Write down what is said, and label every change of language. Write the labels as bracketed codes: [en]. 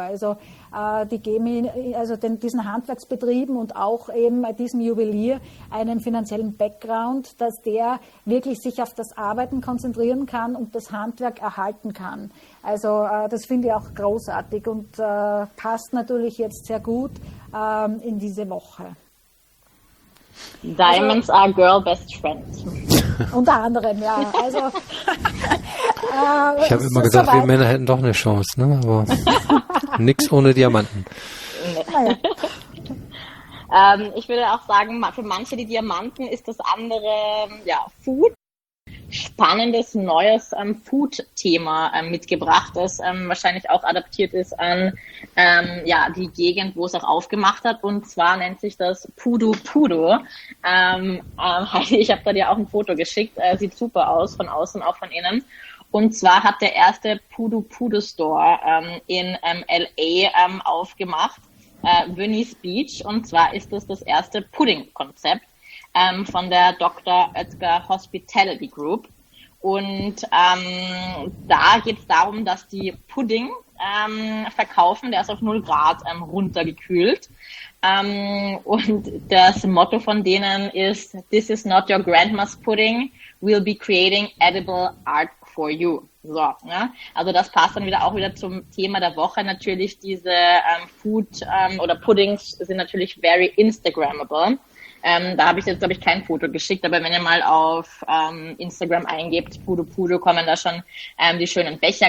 [de] Also die geben also diesen Handwerksbetrieben und auch eben diesem Juwelier einen finanziellen Background, dass der wirklich sich auf das Arbeiten konzentrieren kann und das Handwerk erhalten kann. Also das finde ich auch großartig und passt natürlich jetzt sehr gut in diese Woche. [en] Diamonds are girl best friends. [de] Unter anderem, ja. Also, ich habe immer gedacht, wir Männer hätten doch eine Chance, ne? Aber nichts ohne Diamanten. Nee. Ich würde auch sagen, für manche die Diamanten ist das andere ja, Food. spannendes neues Food-Thema mitgebracht, das wahrscheinlich auch adaptiert ist an ja, die Gegend, wo es auch aufgemacht hat. Und zwar nennt sich das Pudu Pudu. Heidi, ich habe da dir auch ein Foto geschickt. Sieht super aus, von außen, auch von innen. Und zwar hat der erste Pudu Pudu Store in LA aufgemacht. Venice Beach, und zwar ist das das erste Pudding-Konzept von der Dr. Oetker Hospitality Group. Und da geht es darum, dass die Pudding verkaufen, der ist auf 0 Grad runtergekühlt. Und das Motto von denen ist, [en] this is not your grandma's pudding, we'll be creating edible art for you. [de] So, ne? Also das passt dann wieder auch wieder zum Thema der Woche. Natürlich diese Food oder Puddings sind natürlich [en] very Instagrammable. [de] Da habe ich jetzt, glaube ich, kein Foto geschickt, aber wenn ihr mal auf Instagram eingebt, Pudu Pudu, kommen da schon die schönen Becher.